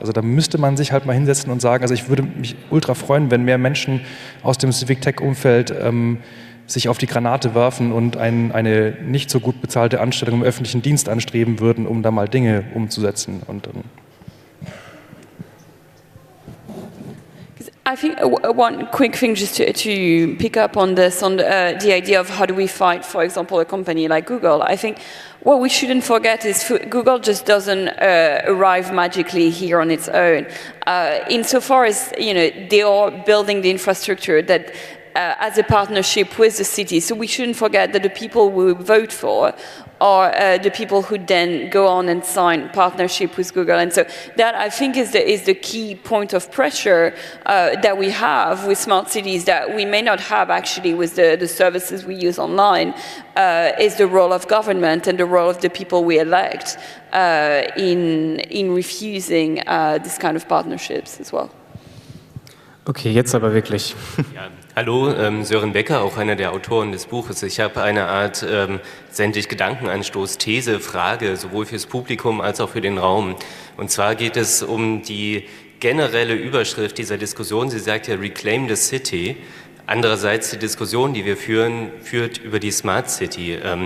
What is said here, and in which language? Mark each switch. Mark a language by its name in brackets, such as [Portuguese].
[German] Also da müsste man sich halt mal hinsetzen und sagen, also ich würde mich ultra freuen, wenn mehr Menschen aus dem Civic-Tech-Umfeld sich auf die Granate werfen und eine nicht so gut bezahlte Anstellung im öffentlichen Dienst anstreben würden, um da mal Dinge umzusetzen. Und [English] I think one quick thing just to pick up on this, on the idea of how do we fight, for example, a company like Google. I think what we shouldn't forget is Google just doesn't arrive magically here on its own. Insofar as, you know, they are building the infrastructure that as a partnership with the city. So we shouldn't forget that the people we vote for are the people who then go on and sign partnership with Google. And so that, I think, is the key point of pressure that we have with smart cities that we may not have actually with the services we use online, is the role of government and the role of the people we elect in refusing this kind of partnerships as well. [German] Okay, jetzt aber wirklich. Hallo, Sören Becker, auch einer der Autoren des Buches. Ich habe eine Art sendlich Gedankenanstoß, These, Frage, sowohl fürs Publikum als auch für den Raum. Und zwar geht es um die generelle Überschrift dieser Diskussion. Sie sagt ja, Reclaim the City. Andererseits die Diskussion, die wir führen, führt über die Smart City.